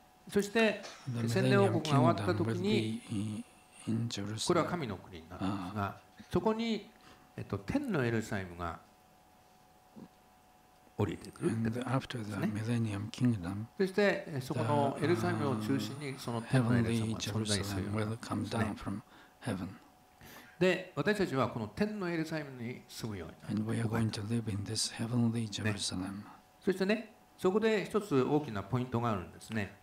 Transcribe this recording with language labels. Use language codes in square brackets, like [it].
[ja] そして千年王国が終わった時にこれは神の国になるんですが、そこに、天のエルサレムが降りてくるってことですね。 [en] And after the Millennium Kingdom, [ja] そしてそこのエルサレムを中心にその天のエルサレムが存在するようになるんですね。 [en] Will come down from heaven. [ja] で私たちはこの天のエルサレムに住むようになる。 [en] And we are going to live in this heavenly Jerusalem.、 [ja] ね、そしてね、そこで一つ大きなポイントがあるんですね。